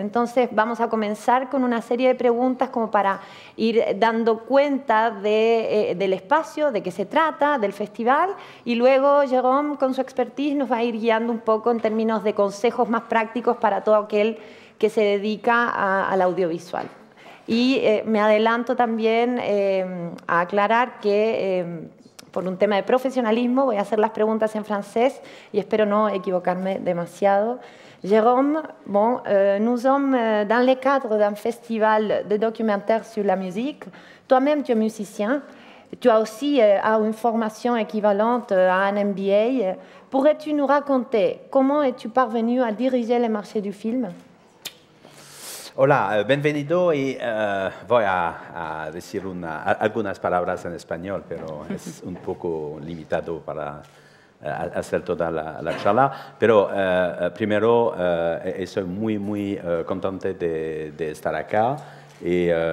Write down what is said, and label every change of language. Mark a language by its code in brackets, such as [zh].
[es] Entonces, vamos a comenzar con una serie de preguntas como para ir dando cuenta del espacio, de qué se trata, del festival, y luego Jérôme, con su expertise, nos va a ir guiando un poco en términos de consejos más prácticos para todo aquel que se dedica al audiovisual. Y me adelanto también a aclarar que, por un tema de profesionalismo, voy a hacer las preguntas en francés y espero no equivocarme demasiado. [fr] Jérôme, bon, nous sommes dans le cadre d'un festival de documentaires sur la musique. Toi-même, tu es musicien. Tu as aussi une formation équivalente à un MBA. Pourrais-tu nous raconter comment es-tu parvenu à diriger le marché du film? [es] Hola, bienvenido. Y voy a decir algunas palabras en español, pero es un poco limitado para hacer toda la charla, pero primero estoy muy muy contento de estar acá y